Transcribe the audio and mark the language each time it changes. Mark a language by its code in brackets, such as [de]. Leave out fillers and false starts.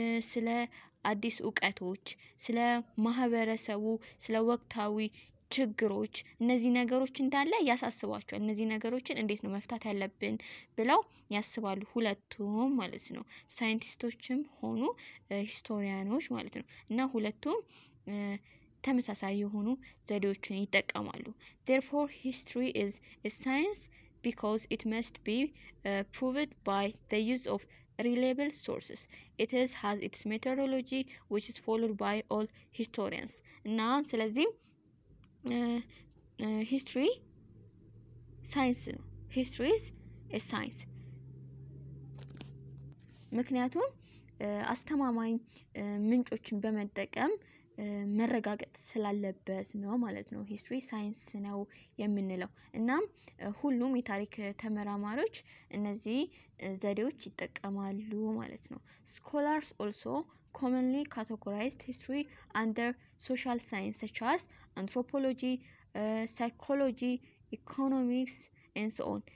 [am] ስለ አዲስ ዕውቀቶች ስለ ማህበረሰቡ ስለ ወቅታዊ ችግሮች እነዚህ ነገሮች እንዳለ ያሳስባቸዋል። እነዚህ ነገሮችን እንዴት ነው መፍታት ያለብን ብለው ያስባሉ ሁለቱም ማለት ነው፣ ሳይንቲስቶችም ሆኑ ሂስቶሪያኖች ማለት ነው። እና ሁለቱም ተመሳሳይ የሆኑ ዘዴዎችን ይጠቀማሉ። [en] Therefore, history is a science because it must be proved by the use of reliable sources. It is has its methodology which is followed by all historians. [am] እና ስለዚህ ሂስትሪ ሳይንስ ነው። [en] ሂስትሪ ኢዝ ኤ ሳይንስ [am] ምክንያቱም አስተማማኝ ምንጮችን በመጠቀም መረጋገጥ ስላለበት ነው ማለት ነው። ሂስትሪ ሳይንስ ነው የምንለው። እናም ሁሉም የታሪክ ተመራማሪዎች እነዚህ ዘዴዎች ይጠቀማሉ ማለት ነው። [en] scholars also commonly categorized history under social science such as anthropology, psychology, economics and so on.